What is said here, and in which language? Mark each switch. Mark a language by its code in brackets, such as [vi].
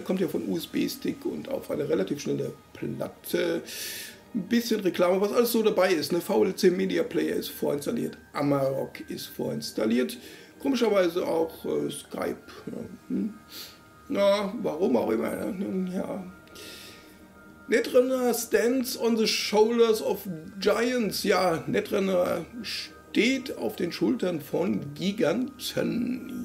[de] Kommt ja von USB-Stick und auf eine relativ schnelle Platte. Ein bisschen Reklame, was alles so dabei ist. Ne? VLC Media Player ist vorinstalliert. Amarok ist vorinstalliert. Komischerweise auch Skype. Na, warum auch immer, ne? Ja. [en] Netrunner stands on the shoulders of giants. [de] Ja, Netrunner steht auf den Schultern von Giganten.